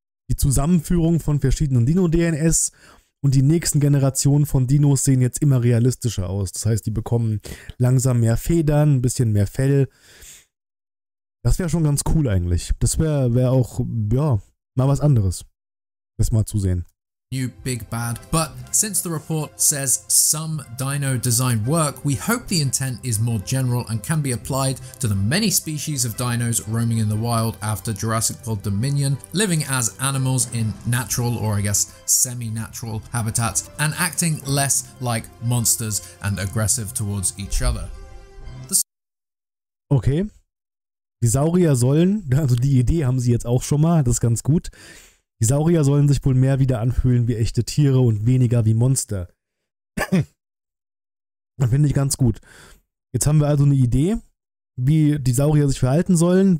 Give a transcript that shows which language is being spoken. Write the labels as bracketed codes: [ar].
[de] Die Zusammenführung von verschiedenen Dino-DNS, und die nächsten Generationen von Dinos sehen jetzt immer realistischer aus. Das heißt, die bekommen langsam mehr Federn, ein bisschen mehr Fell. Das wäre schon ganz cool eigentlich. Das wäre auch, ja, mal was anderes. Das mal zu sehen. [en] new big bad. But since the report says some dino design work, we hope the intent is more general and can be applied to the many species of dinos roaming in the wild after Jurassic World Dominion, living as animals in natural or I guess semi-natural habitats and acting less like monsters and aggressive towards each other. Okay. [de] Die Saurier sollen, also die Idee haben sie jetzt auch schon mal, das ist ganz gut. Die Saurier sollen sich wohl mehr wieder anfühlen wie echte Tiere und weniger wie Monster. Das finde ich ganz gut. Jetzt haben wir also eine Idee, wie die Saurier sich verhalten sollen.